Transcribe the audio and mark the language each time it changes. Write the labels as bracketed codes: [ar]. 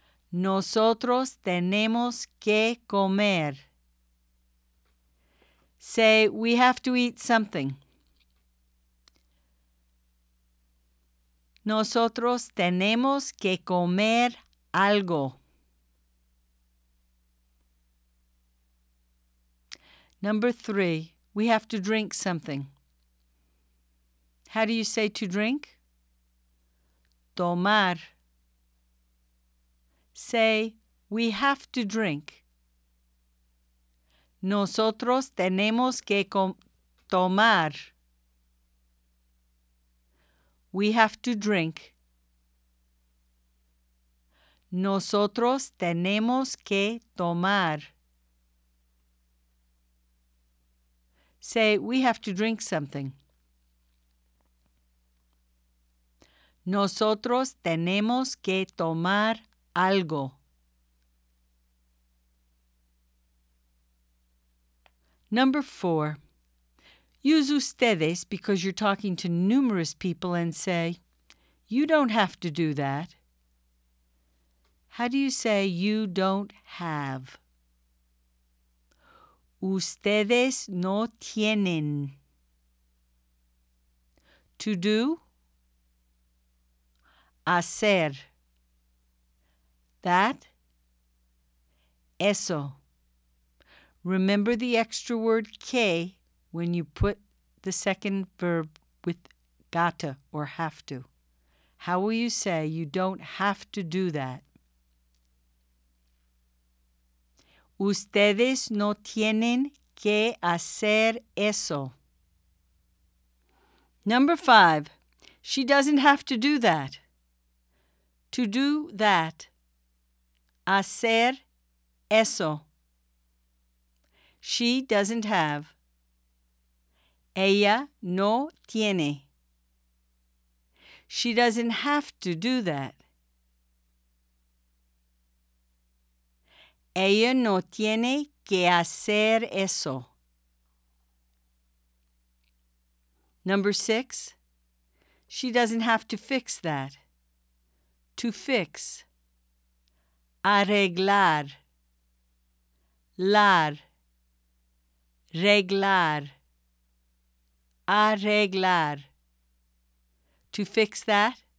[es] Nosotros tenemos que comer. [en] Say, we have to eat something. [es] Nosotros tenemos que comer algo. [en] Number 3, we have to drink something. How do you say to drink? Tomar. Say, we have to drink. [es] Nosotros tenemos que tomar. [en] We have to drink. [es] Nosotros tenemos que tomar. [en] Say, we have to drink something. [es] Nosotros tenemos que tomar algo. [en] Number 4. Use ustedes because you're talking to numerous people and say, you don't have to do that. How do you say you don't have? [es] Ustedes no tienen. [en] To do? [es] Hacer. That? Eso. [en] Remember the extra word que when you put the second verb with gotta or have to. How will you say you don't have to do that? [es] Ustedes no tienen que hacer eso. [en] Number 5. She doesn't have to do that. To do that. [es] Hacer eso. [en] She doesn't have. [es] Ella no tiene. [en] She doesn't have to do that. [es] Ella no tiene que hacer eso. [en] Number 6. She doesn't have to fix that. To fix. [es] Arreglar. Lar. Reglar. [en] Arreglar. To fix that.